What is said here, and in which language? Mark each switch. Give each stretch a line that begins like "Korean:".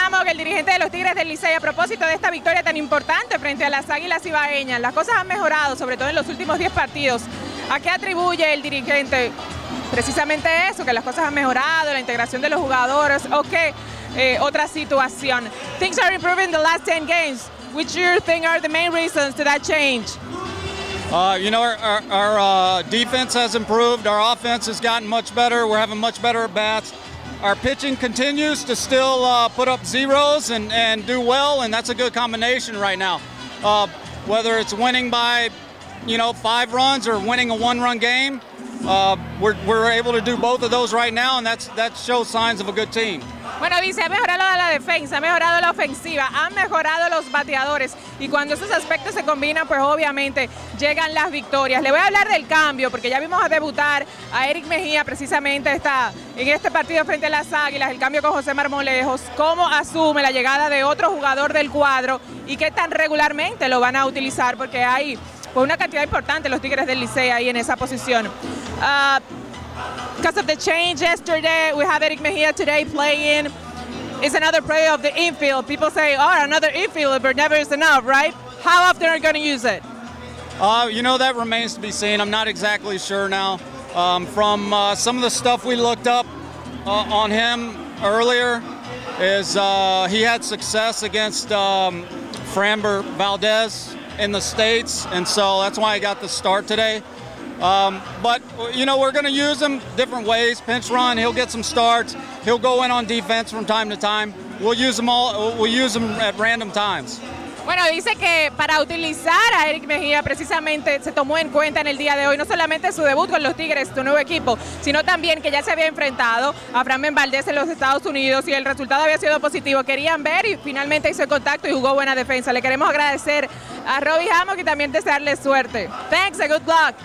Spanish: el dirigente de los Tigres del Licey, a propósito de esta victoria tan importante frente a las Águilas Cibaeñas. Las cosas han mejorado, sobre todo en los últimos 10 partidos. ¿A qué atribuye el dirigente precisamente eso, que las cosas han mejorado, la integración de los jugadores, o qué otra situación?
English: Things are improving the last 10 games. Which do you think are the main reasons to that change? You know, our defense has improved. Our offense has gotten much better. We're having much better at bats. Our pitching continues to still put up zeros and do well, and that's a good combination right now. Whether it's winning by, you know, 5 runs or winning a 1-run game, we're able to do both of those right now, and that shows signs of a good team.
Spanish: Bueno, dice, ha mejorado la defensa, ha mejorado la ofensiva, han mejorado los bateadores. Y cuando esos aspectos se combinan, pues obviamente llegan las victorias. Le voy a hablar del cambio, porque ya vimos a debutar a Eric Mejía precisamente en este partido frente a las Águilas, el cambio con José Marmolejos. ¿Cómo asume la llegada de otro jugador del cuadro y qué tan regularmente lo van a utilizar? Porque hay pues una cantidad importante los Tigres del Licey ahí en esa posición.
English: Because of the change yesterday, we have Eric Mejía today playing. It's another player of the infield. People say, oh, another infielder, but never is enough, right? How often are you going to use it? You know, that remains to be seen. I'm not exactly sure now. From some of the stuff we looked up on him earlier, is he had success against Framber Valdez in the States, and so that's why he got the start today. But, you know, we're going to use him different ways. Pinch run, he'll get some starts. He'll go in on defense from time to time. We'll use him at random times.
Spanish: Bueno, dice que para utilizar a Eric Mejía precisamente se tomó en cuenta en el día de hoy no solamente su debut con los Tigres, su nuevo equipo, sino también que ya se había enfrentado a Framber Valdez en los Estados Unidos y el resultado había sido positivo. Querían ver y finalmente hizo contacto y jugó buena defensa. Le queremos agradecer a Robbie Hammock y también desearle suerte.
English: Thanks and good luck.